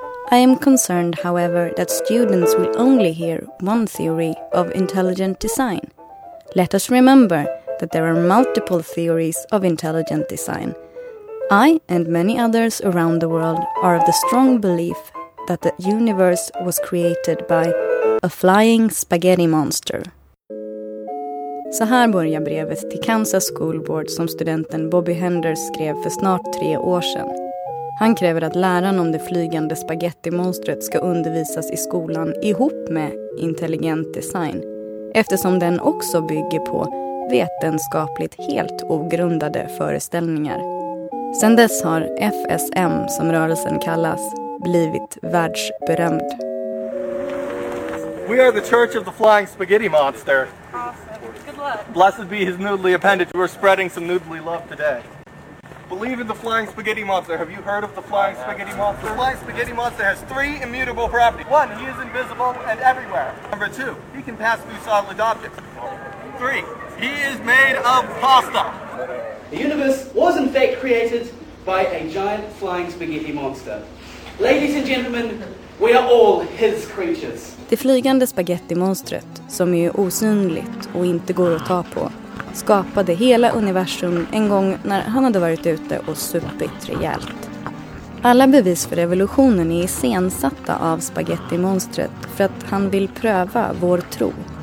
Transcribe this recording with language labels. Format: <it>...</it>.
<en>I am concerned, however, that students will only hear one theory of intelligent design. Let us remember that there are multiple theories of intelligent design. I and many others around the world are of the strong belief that the universe was created by a flying spaghetti monster.</en> <sv>Så här börjar brevet till Kansas School Board som studenten Bobby Henders skrev för snart 3 år sedan. Han kräver att läraren om det flygande spaghetti-monstret ska undervisas i skolan ihop med intelligent design, eftersom den också bygger på vetenskapligt helt ogrundade föreställningar. Sedan dess har FSM, som rörelsen kallas, blivit världsberömd.</sv> <en>We are the Church of the Flying Spaghetti Monster. Awesome. Good luck. Blessed be his noodly appendage. We're spreading some noodly love today. Believe in the Flying Spaghetti Monster. Have you heard of the Flying Spaghetti Monster? The Flying Spaghetti Monster has 3 immutable properties. 1, he is invisible and everywhere. Number 2, he can pass through solid objects. 3, he is made of pasta. The universe was in fact created by a giant flying spaghetti monster. Ladies and gentlemen, we are all his creatures.</en> <sv>Det flygande spagettimonstret, som är osynligt och inte går att ta på, skapade hela universum en gång när han hade varit ute och supit rejält. Alla bevis för evolutionen är iscensatta av spagettimonstret för att han vill pröva vår tro.</sv>